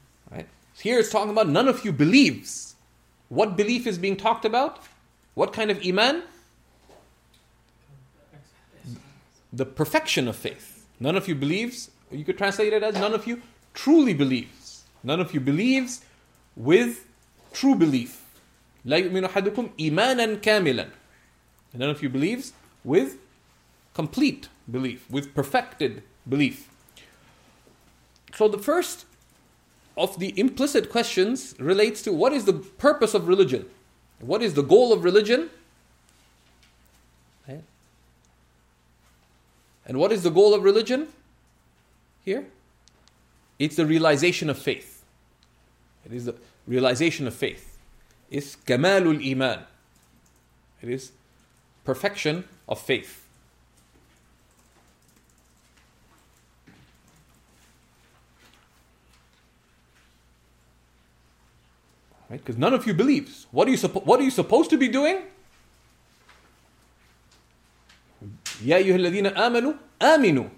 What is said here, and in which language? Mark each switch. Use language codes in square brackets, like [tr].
[en] Right? Here it's talking about none of you believes. What belief is being talked about? What kind of iman? The perfection of faith. None of you believes. You could translate it as none of you truly believes. None of you believes with true belief. [ar] لا يؤمن أحدكم إيمانا كاملا. [en] None of you believes with complete belief, with perfected belief. So the first of the implicit questions relates to what is the purpose of religion? What is the goal of religion? And what is the goal of religion here? It's the realization of faith. It is the realization of faith. It's [ar] كمال الإيمان. [en] It is perfection of faith. Right? Because none of you believes. What are you supposed to be doing? [ar] يا أيها الذين آمنوا آمنوا.